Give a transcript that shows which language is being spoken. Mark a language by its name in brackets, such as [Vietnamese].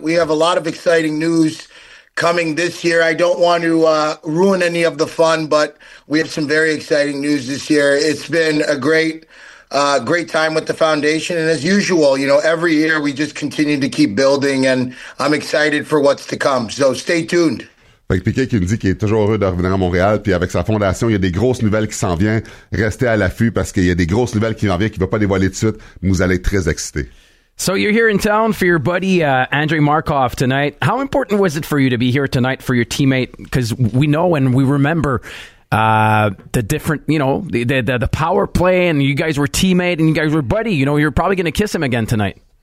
[English] We have a lot of exciting news coming this year. I don't want to ruin any of the fun, but we have some very exciting news this year. It's been a great time with the foundation. And as usual, you know, every year we just continue to keep building, and I'm excited for what's to come. So stay tuned. [French] Fait que Piquet qui nous dit qu'il est toujours heureux de revenir à Montréal, puis avec sa fondation, il y a des grosses nouvelles qui s'en viennent. Restez à l'affût parce qu'il y a des grosses nouvelles qui en viennent, qu'il ne va pas dévoiler tout de suite. Vous allez être très excités. [English] So you're here in town for your buddy Andrei Markov tonight. How important was it for you to be here tonight for your teammate? Because we know and we remember the different, you know, the power play, and you guys were teammate and you guys were buddy. You know, you're probably going to kiss him again tonight.